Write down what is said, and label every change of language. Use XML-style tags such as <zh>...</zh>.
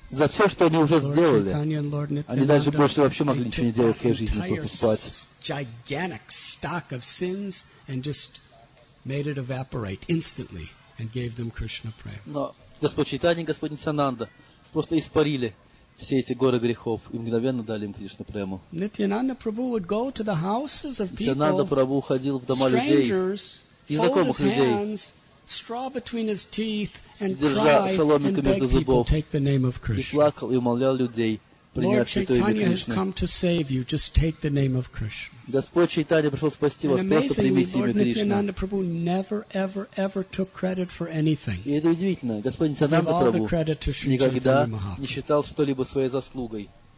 <ru>все, что они уже сделали, они даже больше вообще могли ничего не делать в своей жизни, просто спать.</ru> <en>Gigantic stock of sins and just made it evaporate instantly and gave them Krishna prayer.</en> <ru>Но Господь Чайтанья, Господь Нитьянанда просто испарили все эти горы грехов и мгновенно дали им Кришна прему.</ru> <en>Nityananda Prabhu would go to the houses of people.</en> <ru>Nityananda Prabhu ходил в дома людей, незнакомых людей,</ru> <en>straw between his teeth and cried and begged people take the name of Krishna.</en> <ru>И плакал и умолял людей принять святое имя Кришны.</ru> <en>Lord Chaitanya has come to save you. Just take the name of Krishna.</en> <ru>Господь Чайтанья пришел спасти вас, просто примите имя Кришна.</ru> <en>Never, ever, ever took credit for anything.</en> <ru>И это удивительно. Господь Нитьянанда Прабху никогда не считал что-либо своей заслугой.</ru>